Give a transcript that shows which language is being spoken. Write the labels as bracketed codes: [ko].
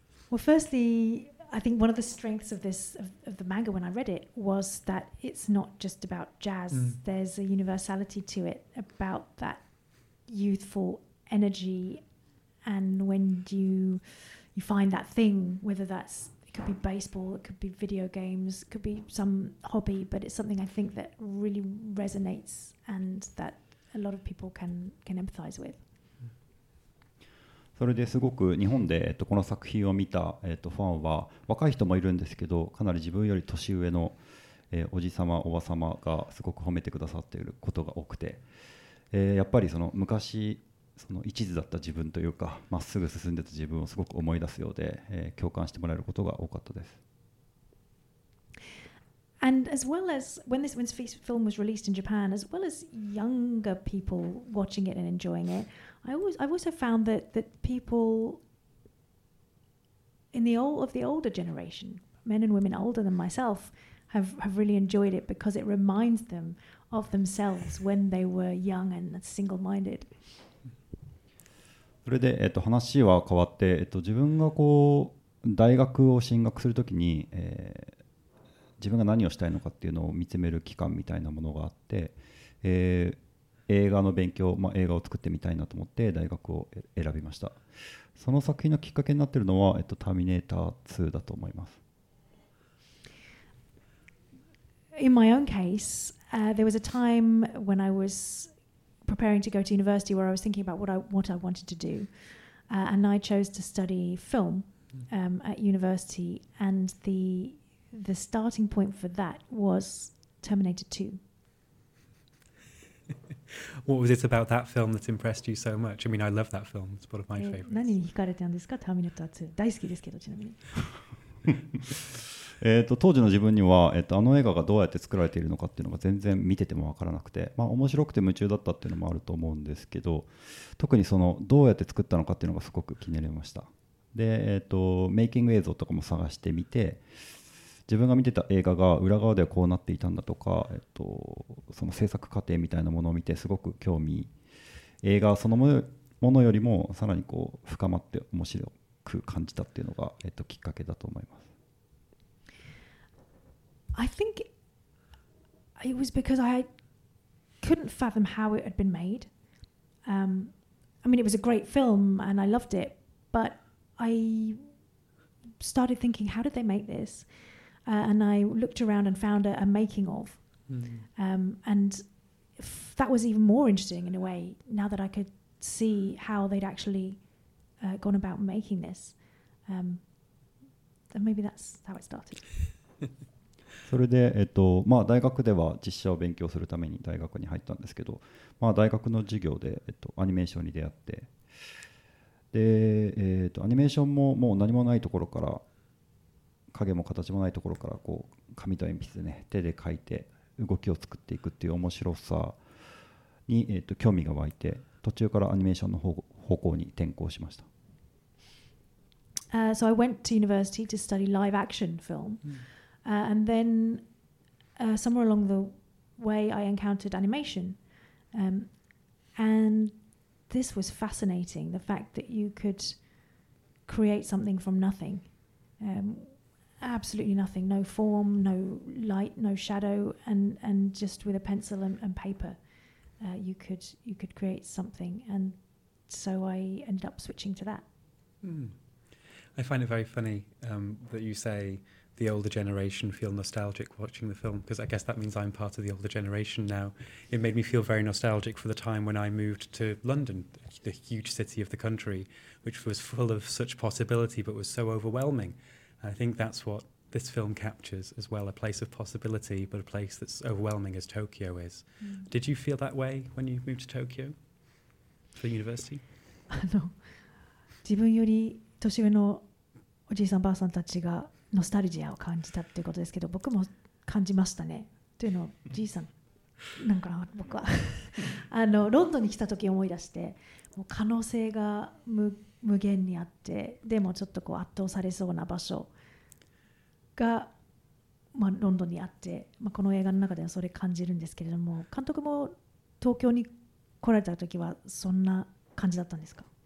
[en] Well, firstly, I think one of the strengths of this of the manga when I read it was that it's not just about jazz.、うん、There's a universality to it about that youthful energy, and when you find that thing, whether that's it could be baseball, it could be video games, it could be some hobby, but it's something I think that really resonates and that a lot of people can empathize with. [ja] それですごく日本でこの作品を見たファンは若い人もいるんですけど、かなり自分より年上のおじさまおばさまがすごく褒めてくださっていることが多くて、やっぱりその昔その一途だった自分というか、まっすぐ進んでた自分をすごく思い出すようで、共感してもらえることが多かったです。 [en] And as well as when this film was released in Japan, as well as younger people watching it and enjoying itI've also found that people of the older generation, men and women older than myself, have really enjoyed it because it reminds them of themselves when they were young and single-minded. [ja] それで、話は変わって、自分がこう大学を進学するときに、自分が何をしたいのかっていうのを見つめる期間みたいなものがあって、映画の勉強、まあ、映画を作ってみたいなと思って大学を選びました。その作品のきっかけになっているのは、ターミネーター2だと思います。 [en] In my own case, there was a time when I was preparing to go to university where I was thinking about what I wanted to do. And I chose to study film, at university. And the starting point for that was Terminator 2. What was it about that film that impressed you so much? I mean, I love that film. It's one of my favorites. [ja] 何に惹かれたんですか、ターミネーター2。大好きですけど、ちなみに。当時の自分には、あの映画がどうやって作られているのかっていうのが全然見ててもわからなくて、まあ、面白くて夢中だったっていうのもあると思うんですけど、特にそのどうやって作ったのかっていうのがすごく気になりました。で、メイキング映像とかも探してみて、自分が見てた映画が裏側ではこうなっていたんだとか、その制作過程みたいなものを見てすごく興味、映画そのものよりもさらにこう深まって面白く感じたっていうのが、きっかけだと思います。 [en] I think it was because I couldn't fathom how it had been made. I mean, it was a great film and I loved it, but I started thinking, how did they make this? And I looked around and found a making of. Mm-hmm. And that was even more interesting in a way, now that I could see how they'd actually gone about making this. And maybe that's how it started. [ja] それで、まあ、大学では実写を勉強するために大学に入ったんですけど、まあ、大学の授業で、アニメーションに出会って、で、アニメーションももう何もないところから影も形もないところからこう紙と鉛筆でね手で描いて動きを作っていくっていう面白さに興味が湧いて、途中からアニメーションの方向に転向しました。 [en] So I went to university to study live action film. And then somewhere along the way I encountered animation. And this was fascinating, the fact that you could create something from nothing. Absolutely nothing, no form, no light, no shadow, and just with a pencil and paper, you could create something. And so I ended up switching to that. I find it very funny that you say the older generation feel nostalgic watching the film, because I guess that means I'm part of the older generation now. It made me feel very nostalgic for the time when I moved to London, the huge city of the country, which was full of such possibility but was so overwhelming. I think that's what this film captures as well, a place of possibility, but a place that's overwhelming as Tokyo is. Mm. Did you feel that way when you moved to Tokyo for university? No. [ja] 自分より年上のおじいさんばあさんたちがノスタルジアを感じたっていうことですけど、僕も感じましたね。というのは、じいさん、なんか僕は。ロンドンに来た時思い出して、もう可能性が無限にあって、でもちょっとこう圧倒されそうな場所が、まあ、ロンドンにあって、まあ、この映画の中ではそれ感じるんですけれども、監督も東京に来られた時はそんな感じだったんですか？